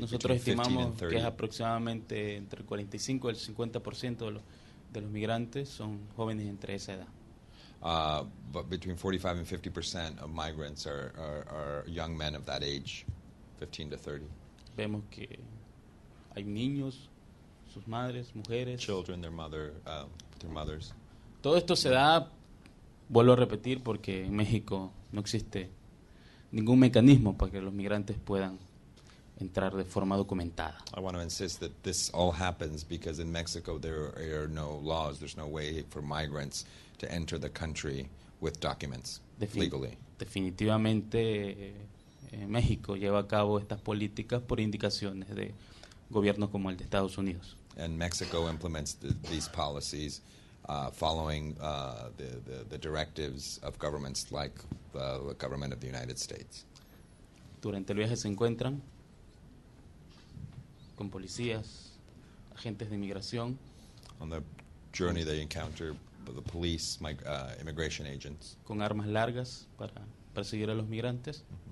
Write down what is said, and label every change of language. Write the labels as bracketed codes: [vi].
[es] Nosotros estimamos que es aproximadamente entre el 45 y el 50% de los migrantes son jóvenes entre esa edad. [en] But between 45 and 50% of migrants are young men of that age, 15 to 30. [es] Vemos que hay niños, sus madres, mujeres. [en] Children, their mothers. [es] Todo esto se da, vuelvo a repetir, porque en México no existe ningún mecanismo para que los migrantes puedan entrar de forma documentada. [en] I want to insist that this all happens because in Mexico there are no laws, there's no way for migrants to enter the country with documents legally. [es] Definitivamente, México lleva a cabo estas políticas por indicaciones de gobiernos como el de Estados Unidos. [en] And Mexico implements these policies following the directives of governments like the government of the United States. [es] Durante el viaje se encuentran con policías, agentes de inmigración. [en] On the journey they encounter the police, immigration agents. [es] Con armas largas para perseguir a los migrantes.